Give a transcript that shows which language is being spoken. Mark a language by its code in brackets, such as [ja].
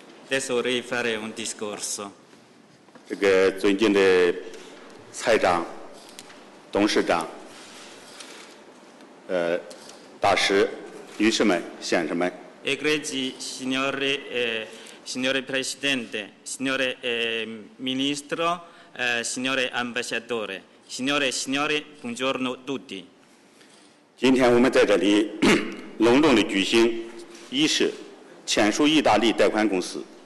[it] Adesso vorrei fare un discorso. [zh] 这个尊敬的蔡长、董事长、大师、女士们、先生们。 [it] Egregi signori, signori presidente, signori ministro, signori ambasciatore, signore e signori, buongiorno tutti. [zh] 今天我们在这里隆重的举行仪式，签署意大利贷款公司。